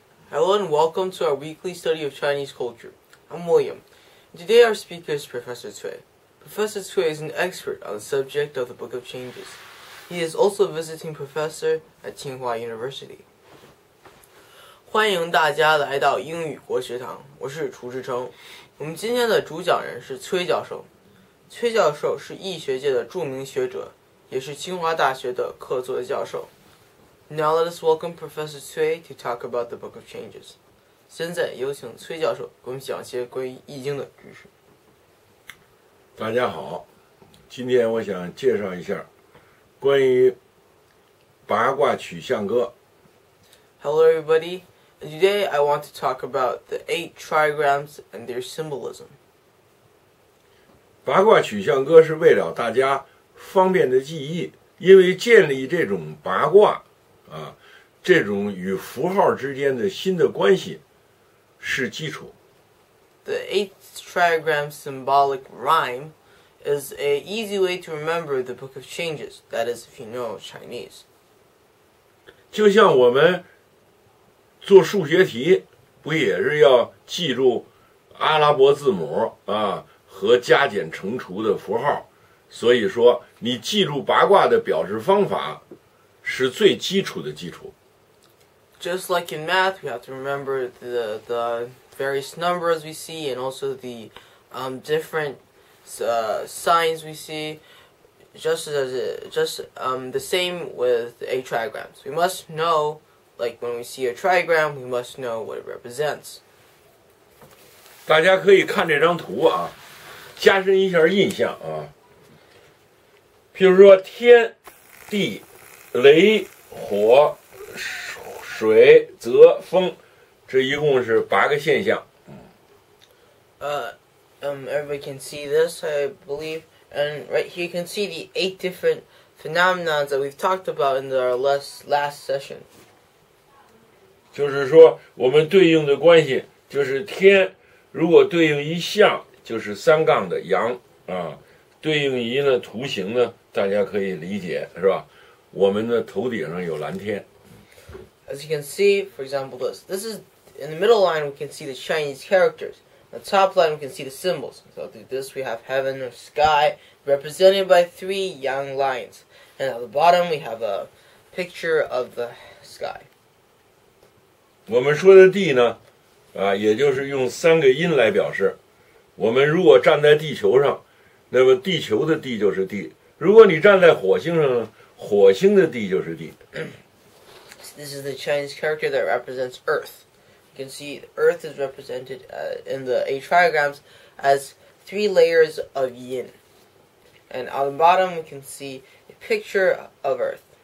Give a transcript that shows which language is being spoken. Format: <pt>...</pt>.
<en>Hello and welcome to our weekly study of Chinese culture. I'm William. Today our speaker is Professor Cui. Professor Cui is an expert on the subject of the Book of Changes. He is also a visiting professor at Tsinghua University.</en> <zh>欢迎大家来到英语国学堂，我是楚志成。我们今天的主讲人是崔教授。崔教授是易学界的著名学者，也是清华大学的客座教授。</zh> <en>Now let us welcome Professor Cui to talk about the Book of Changes.</en> <zh>现在有请崔教授给我们讲些关于易经的知识。大家好，今天我想介绍一下关于八卦取象歌。</zh> <en>Hello everybody, today I want to talk about the eight trigrams and their symbolism.</en> <zh>八卦取象歌是为了大家方便的记忆，因为建立这种八卦啊，这种与符号之间的新的关系是基础。</zh> <en>The eighth trigram symbolic rhyme is an easy way to remember the Book of Changes, that is, if you know Chinese.</en> <zh>就像我们做数学题，不也是要记住阿拉伯字母啊和加减乘除的符号？所以说，你记住八卦的表示方法是最基础的基础。</zh> <en>Just like in math, we have to remember the various numbers we see and also the different signs we see. The same with eight trigrams. We must know. Like when we see a trigram, we must know what it represents.</en> <zh>大家可以看这张图啊，加深一下印象啊。譬如说天、地、雷、火、水、泽、风，这一共是八个现象。</zh> <en>Everybody can see this, I believe. And right here you can see the eight different phenomena that we've talked about in our last session.</en> <zh>就是说我们对应的关系就是天如果对应一象就是三杠的阳啊，对应一呢图形呢大家可以理解是吧，我们的头顶上有蓝天。</zh> <en>As you can see, for example, this is in the middle line, we can see the Chinese characters. The top line, we can see the symbols. So through this, we have heaven or sky represented by three yang lines. And at the bottom, we have a picture of the sky.</en> <zh>我们说的地呢，啊，也就是用三个音来表示。我们如果站在地球上，那么地球的地就是地；如果你站在火星上呢，火星的地就是地。</zh> <en>This is the Chinese character that represents Earth. You can see Earth is represented in the eight trigrams as three layers of yin. And on the bottom, we can see a picture of Earth.</en>